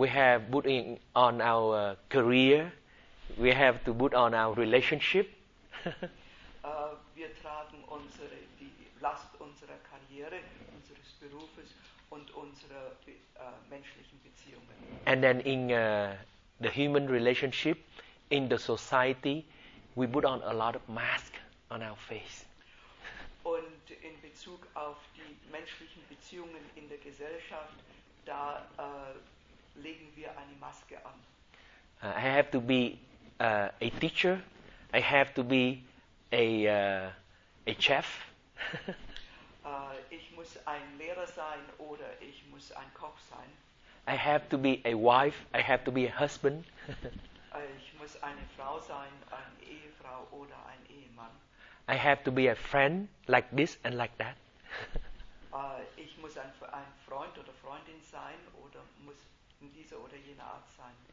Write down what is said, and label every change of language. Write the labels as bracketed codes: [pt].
[en] We have put on our career. We have to put on our relationship. [de] wir tragen unsere, die Last unserer Karriere, unseres Berufes und unserer menschlichen Beziehungen. [en] And then in the human relationship, in the society, we put on a lot of mask on our face. [de] Und in Bezug auf die menschlichen Beziehungen in der Gesellschaft, da legen wir eine Maske an. [en] I have to be a teacher. I have to be a chef. [de] Ich muss ein Lehrer sein oder ich muss ein Koch sein. [en] I have to be a wife. I have to be a husband. [de] Ich muss eine Frau sein, eine Ehefrau oder ein Ehemann. [en] I have to be a friend like this and like that. [de] Ich muss ein Freund oder Freundin sein oder muss in dieser oder jener Art sein.